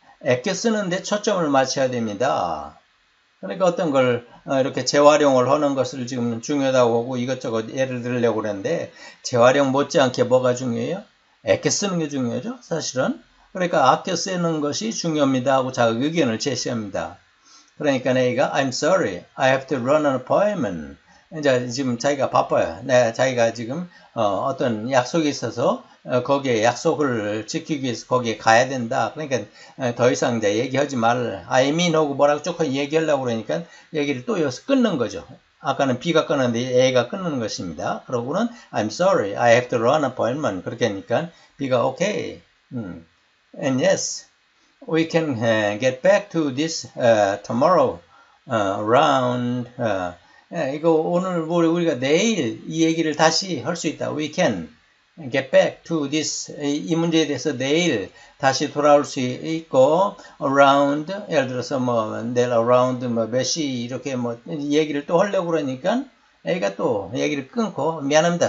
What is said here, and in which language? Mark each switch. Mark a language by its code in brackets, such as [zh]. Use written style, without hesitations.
[ko] 아껴 쓰는데 초점을 맞춰야 됩니다. 그러니까 어떤 걸 이렇게 재활용을 하는 것을 지금 중요하다고 하고 이것저것 예를 들려고 그랬는데 재활용 못지않게 뭐가 중요해요? 아껴 쓰는 게 중요하죠, 사실은. 그러니까 아껴 쓰는 것이 중요합니다 하고 자기 의견을 제시합니다. 그러니까 내가 [en] I'm sorry, I have to run an appointment. [ko] 이제 지금 자기가 바빠요. 네, 자기가 지금 어떤 약속이 있어서 거기에 약속을 지키기 위해서 거기에 가야 된다. 그러니까 더 이상 이제 얘기하지 말. [en] I mean [ko] 하고 뭐라고 쭉 얘기하려고 그러니까 얘기를 또 여기서 끊는 거죠. 아까는 B가 끊었는데 A가 끊는 것입니다. 그러고는 [en] I'm sorry, I have to run appointment. [ko] 그렇게 하니까 B가 okay. [en] And yes, we can get back to this tomorrow round. [ko] 이거 오늘 우리가 내일 이 얘기를 다시 할수 있다. [en] We can get back to this. [ko] 이 문제에 대해서 내일 다시 돌아올 수 있고, around, 예를 들어서 뭐, 내일 around 뭐몇시 이렇게 뭐, 얘기를 또 하려고 그러니까, 애가 또 얘기를 끊고, 미안합니다.